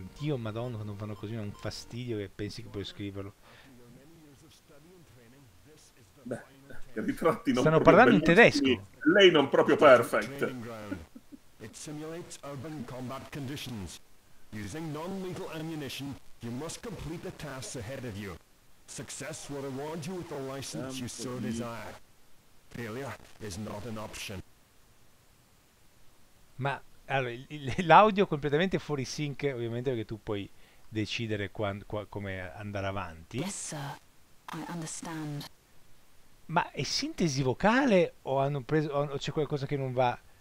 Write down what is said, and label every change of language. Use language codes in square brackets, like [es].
[it] Dio Madonna, quando fanno così è un fastidio che pensi che puoi scriverlo. Beh, ritratti non stanno parlando in tedesco. Lei non proprio perfect. [en] It simulates urban combat conditions. Using non-lethal ammunition, you must complete the tasks ahead of you. Success will reward you with the license you so desire. Failure is not an option. [it] Ma allora, l'audio è completamente fuori sync, ovviamente, perché tu puoi decidere come andare avanti. [en] Yes, sir. I understand. [it] Ma è sintesi vocale o hanno preso o c'è qualcosa che non va?